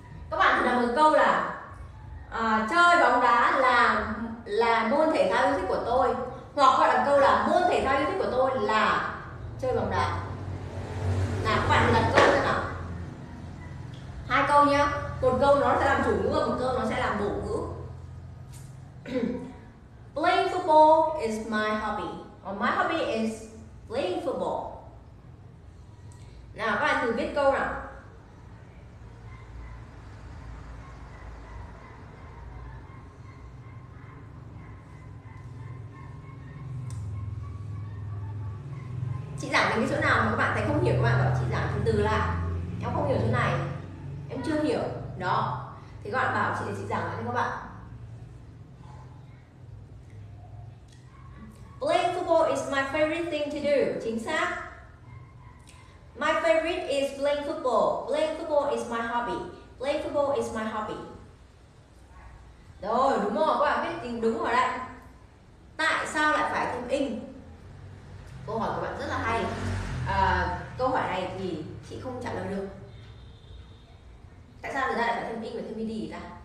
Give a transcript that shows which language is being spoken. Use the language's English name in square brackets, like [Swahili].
[Vietnamese] Các bạn thử làm một câu là chơi bóng đá là môn thể thao yêu thích của tôi. Hoặc các bạn đặt câu là môn thể thao yêu thích của tôi là chơi bóng đá. Nào các bạn đặt câu xem nào. Hai câu nhá. Một câu nó sẽ làm chủ ngữ và một câu nó sẽ làm bổ ngữ. [English] Playing football is my hobby. Or my hobby is playing football. [Vietnamese] Nào các bạn thử viết câu nào. Chị giảm đến cái chỗ nào mà các bạn thấy không hiểu, các bạn bảo chị giảm từ từ lại. Em không hiểu chỗ này, em chưa hiểu. Đó. Thì các bạn bảo chị để chị giảm lại cho các bạn. [English] Playing football is my favorite thing to do. [Vietnamese] Chính xác. [English] My favorite is playing football. Playing football is my hobby. Playing football is my hobby. [Vietnamese] Rồi, đúng rồi, các bạn biết tính đúng rồi đấy. Tại sao lại phải thêm ing? Câu hỏi của bạn rất là hay. Câu hỏi này thì chị không trả lời được. Tại sao người ta lại phải thêm ing và thêm ed gì ta?